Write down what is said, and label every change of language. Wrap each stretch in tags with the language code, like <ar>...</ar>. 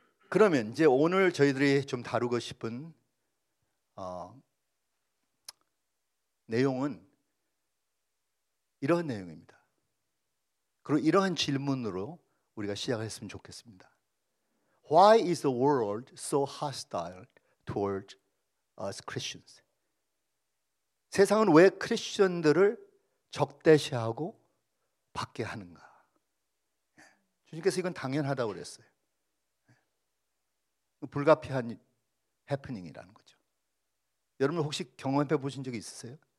<ko>그러면 이제 오늘 저희들이 좀 다루고 싶은 내용은 이러한 내용입니다. 그리고 이러한 질문으로 우리가 시작했으면 좋겠습니다.</ko> <en>Why is the world so hostile towards us Christians?</en> <ko>세상은 왜 크리스천들을 적대시하고 받게 하는가? 주님께서 이건 당연하다고 그랬어요. 불가피한 해프닝이라는 거죠. 여러분 혹시 경험해 보신 적이 있으세요?</ko>